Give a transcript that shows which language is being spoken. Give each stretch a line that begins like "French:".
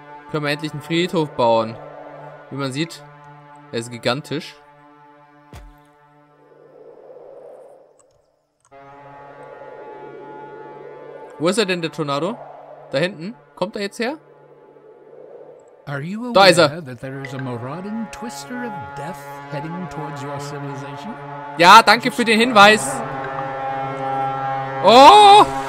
German: Können wir endlich einen Friedhof bauen. Wie man sieht, er ist gigantisch. Wo ist er denn, der Tornado? Da hinten? Kommt er jetzt her? Da ist er.
English: That there is a marauding twister of death heading towards your civilization?
German: Ja, danke für den Hinweis. Oh!